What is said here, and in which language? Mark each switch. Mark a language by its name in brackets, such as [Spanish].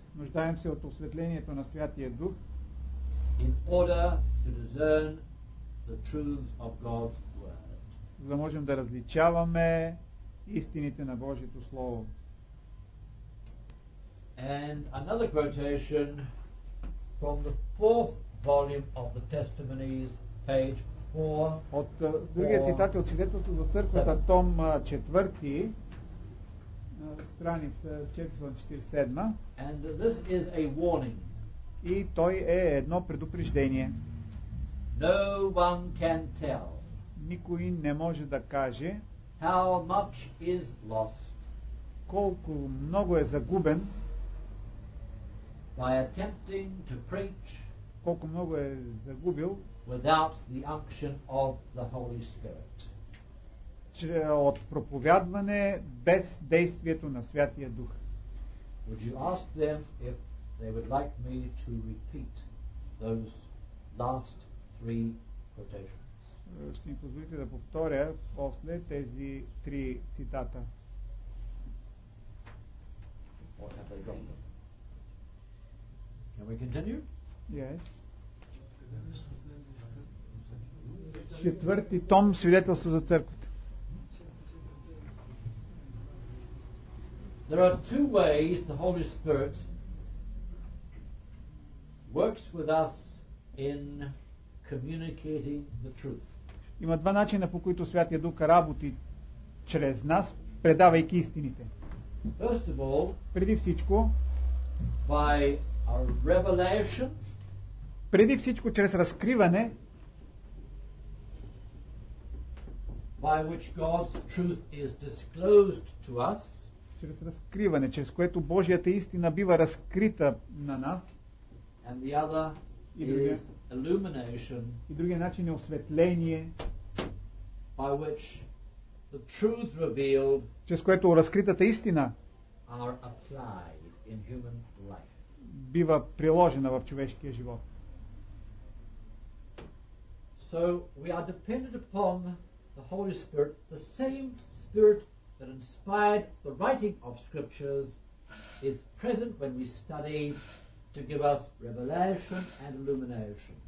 [Bulgarian] Нуждаем се от осветлението на Святия Дух. [English] In order to discern the truths of God's word. [Bulgarian] За да можем да различаваме истините на Божието слово. [English] And another quotation from the fourth volume of the Testimonies, page 4. [Bulgarian] От другия цитат от Свидетелството за църквата, том 4, страница 447. [English] And this is a warning. [Bulgarian] И той е едно предупреждение. [English] No one can tell. [Bulgarian] Никой не може да каже. [English] How much is lost. [Bulgarian] Колко много е загубен. [English] By attempting to preach, [Bulgarian] колко много е загубил, [English] without the unction of the Holy Spirit, [Bulgarian] че от проповядване без действието на Святия Дух. [English] Would you ask them if they would like me to repeat those last three quotations? [Bulgarian] Ще ми позволите да повторя после тези три цитата. [English] What have they got? Can we continue? Yes. [Bulgarian] Четвърти том, свидетелство за църквата. [English] There are two ways the Holy Spirit works with us in communicating the truth. [Bulgarian] Има два начина, по които Святия Дух работи чрез нас, предавайки истините. [English] First of all, [Bulgarian] преди всичко, [English] by a revelation, [Bulgarian] преди всичко чрез разкриване, [English] by which God's truth is disclosed to us, [Bulgarian] чрез разкриване, чрез което Божията истина бива разкрита на нас, [English] and the other is illumination, [Bulgarian] и другия начин е осветление, [English] by which the truth revealed, [Bulgarian] чрез което разкритата истина [English] are applied in human life. [Bulgarian] Бива приложена в човешкия живот. [English] So we are dependent upon the Holy Spirit, the same Spirit that inspired the writing of scriptures is present when we study to give us revelation and illumination.